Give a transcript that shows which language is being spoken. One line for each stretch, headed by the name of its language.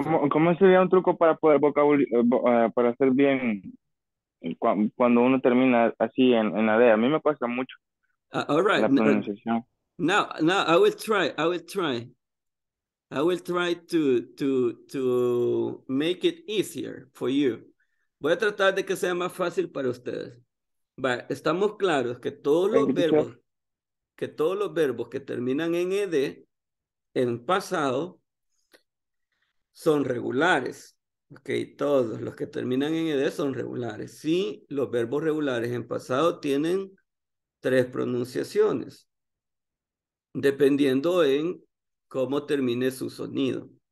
Spanish: ¿Cómo sería un truco para poder para hacer bien cuando uno termina así en la D? A mí me cuesta mucho.
English: All right.
Spanish: La pronunciación.
English: Now I will try. I will try to make it easier for you.
Spanish: Voy a tratar de que sea más fácil para ustedes. But estamos claros que todos los verbos que terminan en ED en pasado son regulares. Okay, todos los que terminan en ED son regulares. Sí, los verbos regulares en pasado tienen tres pronunciaciones, dependiendo en cómo termine su sonido.